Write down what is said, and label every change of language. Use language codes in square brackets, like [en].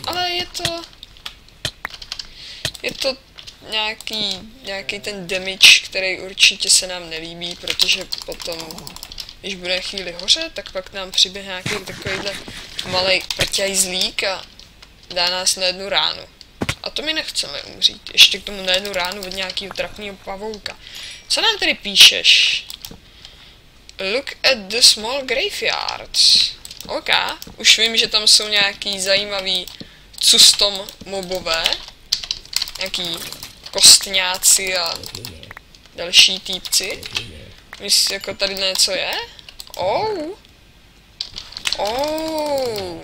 [cs] Ale je to nějaký ten damage, který určitě se nám nelíbí, protože potom, když bude chvíli hoře, tak pak nám přiběhne nějaký takovýhle malej prťajzlík a dá nás na jednu ránu. A to my nechceme umřít. Ještě k tomu na jednu ránu od nějakého trapného pavouka. Co nám tady píšeš? [en] Look at the small graveyards. [cs] Ok, už vím, že tam jsou nějaký zajímavý custom mobové. Nějaký kostňáci a další týpci. Myslíš, jako tady něco je? Ou. Ou.